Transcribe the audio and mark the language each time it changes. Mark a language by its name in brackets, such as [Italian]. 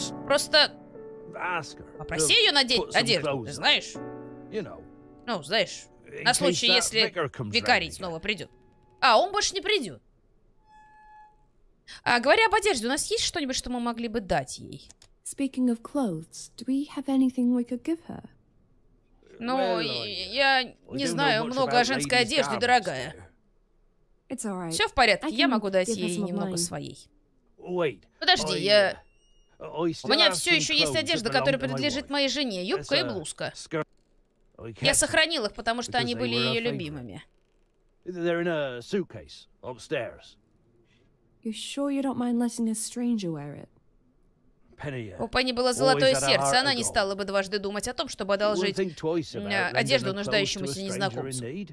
[Russian] Просто попроси ее надеть одежду, ты знаешь? Ну, знаешь... На случай, если викарий снова придет. А, он больше не придет. А, говоря об одежде, у нас есть что-нибудь, что мы могли бы дать ей? [English] Speaking of clothes, do we have anything we could give her? [Russian] Ну, я не знаю много о женской одежде, дорогая. Все в порядке, я могу дать ей немного своей. Подожди, я... У меня все еще есть одежда, которая принадлежит моей жене. Юбка и блузка. Я сохранил их, потому что они были ее любимыми. [English] They're in a suitcase upstairs. You sure you don't mind letting a stranger wear it? Penny, [Russian] у Пенни было золотое сердце, она не стала бы дважды думать о том, чтобы одолжить одежду нуждающемуся незнакомцу.